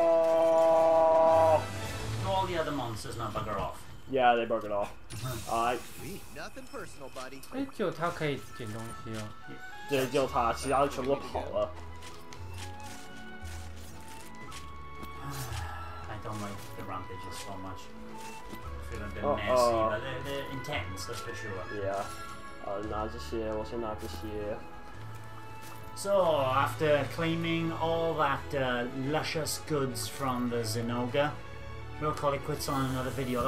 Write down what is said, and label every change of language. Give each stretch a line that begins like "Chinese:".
English: Do all the other monsters not bugger off? Yeah, they bugger off. Alright. Nothing personal, buddy.
Chinese: 哎，只有他可以捡东西哦。对，只有他，其他的全部都跑了。
English: I don't like the rampages so much. Feel a bit messy, but they're intense, that's for sure.
Chinese: Yeah. 拿这些，我先拿这些。
English: So after claiming all that luscious goods from the Zinogre, we'll call it quits on another video.